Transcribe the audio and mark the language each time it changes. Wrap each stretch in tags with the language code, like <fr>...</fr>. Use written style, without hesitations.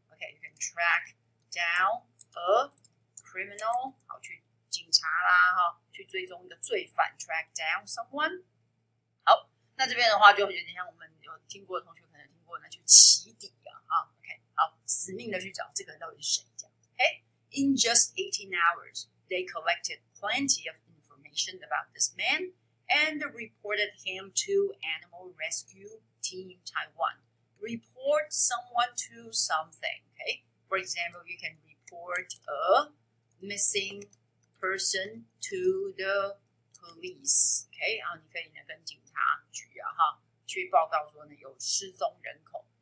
<en>OK， you can track down a criminal，</en> <zh>好，去警察啦哈，去追踪一个罪犯</zh> <en>，track down someone。</en> <zh>好，那这边的话就有点像我们有听过的同学可能听过，那去起底啊，哈。好，死命的去找这个到底是谁这样。</zh> <en>Okay? In just 18 hours, they collected plenty of information about this man and reported him to Animal Rescue Team Taiwan. Report someone to something. Okay? For example, you can report a missing person to the police. Okay?</en> <zh>然后你可以呢跟警察局啊哈去报告说呢有失踪人口。</zh>